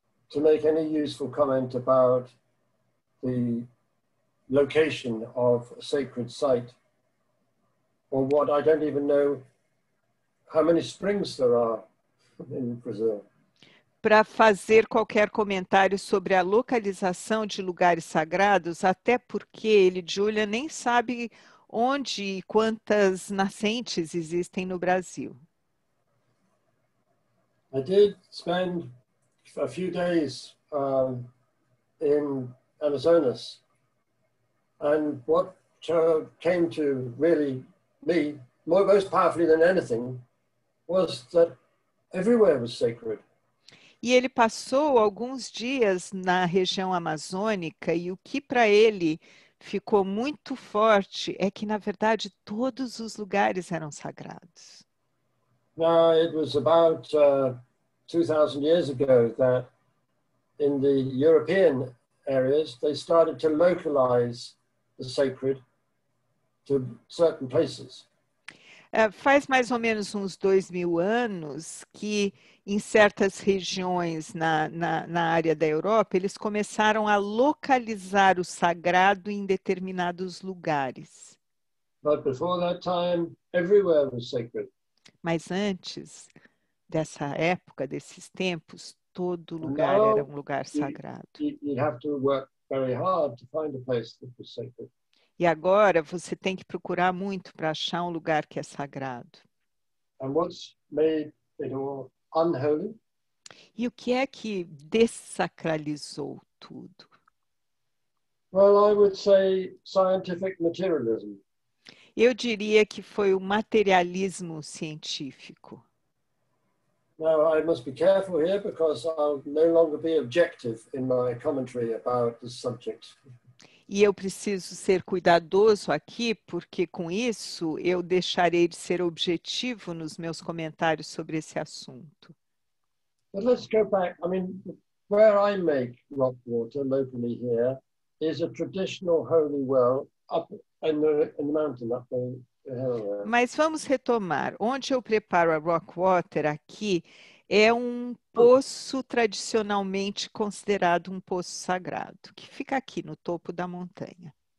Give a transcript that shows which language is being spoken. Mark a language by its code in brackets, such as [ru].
[en] To make any useful comment about the location of a sacred site. Or what, I don't even know how many springs there are in Brazil. [pt] Para fazer qualquer comentário sobre a localização de lugares sagrados, até porque ele, Julia, nem sabe onde e quantas nascentes existem no Brasil. [en] I did spend a few days in Amazonas, and what came to really me most powerfully than anything was that everywhere was sacred. [pt] E ele passou alguns dias na região amazônica e o que para ele ficou muito forte é que, na verdade, todos os lugares eram sagrados. [en] It was about 2,000 years ago that in the European areas they started to localize the sacred to certain places. [pt] Faz mais ou menos uns 2,000 anos que em certas regiões na área da Europa, eles começaram a localizar o sagrado em determinados lugares. [en] But before that time, everywhere was sacred. [pt] Mas antes dessa época, desses tempos, todo lugar era um lugar sagrado. [en] You'd have to work very hard to find a place that was sacred. [pt] E agora você tem que procurar muito para achar um lugar que é sagrado. [en] And what's made it all unholy? [pt] E o que é que dessacralizou tudo? [en] Well, I would say scientific materialism. [pt] Eu diria que foi o materialismo científico. [en] Now I must be careful here because I'll no longer be objective in my commentary about the subject. [pt] E eu preciso ser cuidadoso aqui, porque com isso eu deixarei de ser objetivo nos meus comentários sobre esse assunto. [en] But let's go back. I mean, where I make rock water locally here is a traditional holy well up in the mountain up there. [pt] Mas vamos retomar. Onde eu preparo a rock water aqui é um poço tradicionalmente considerado um poço sagrado, que fica aqui no topo da montanha.